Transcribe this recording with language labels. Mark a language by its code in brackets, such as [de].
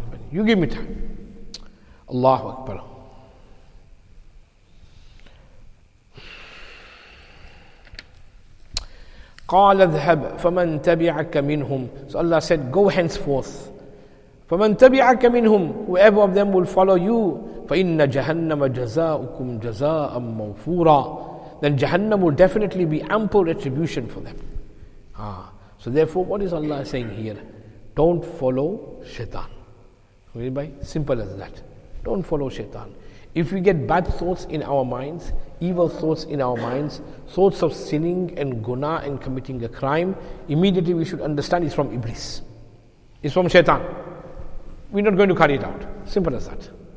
[en] You give me time. Allahu Akbar. [ar] قال اذهب فمن تبعك منهم. [en] So Allah said, go henceforth. [ar] فمن تبعك منهم, [en] whoever of them will follow you. [ar] فإن جهنم جزاؤكم جزاء موفورا. [en] Then Jahannam will definitely be ample retribution for them. So therefore, what is Allah saying here? Don't follow Shaitan. Simple as that. Don't follow Shaitan. If we get bad thoughts in our minds, evil thoughts in our minds, thoughts of sinning and guna and committing a crime, immediately we should understand it's from Iblis. It's from Shaitan. We're not going to carry it out. Simple as that.